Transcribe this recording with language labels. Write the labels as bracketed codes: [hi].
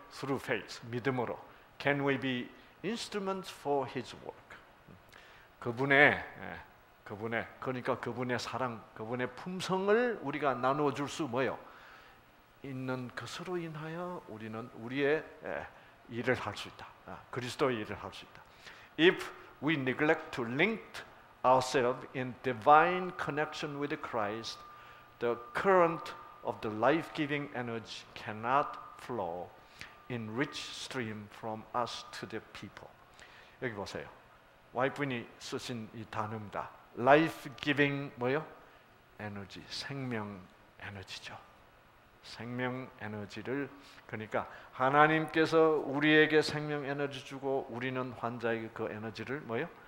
[en] Through faith, [ko] 믿음으로 [en] can we be instruments for His work? [ko] 그분의 그러니까 그분의 사랑, 그분의 품성을 우리가 나누어 줄 수 뭐예요? 있는 것으로 인하여 우리는 우리의 일을 할 수 있다. 그리스도의 일을 할 수 있다. [en] If we neglect to link ourselves in divine connection with Christ, the current of the life-giving energy cannot flow in rich stream from us to the people. [ko] 여기 보세요. 와이프분이 쓰신 이 단어입니다. Life-giving 뭐요? Energy, 생명 에너지죠. 생명 에너지를 그러니까 하나님께서 우리에게 생명 에너지 주고 우리는 환자에게 그 에너지를 뭐요?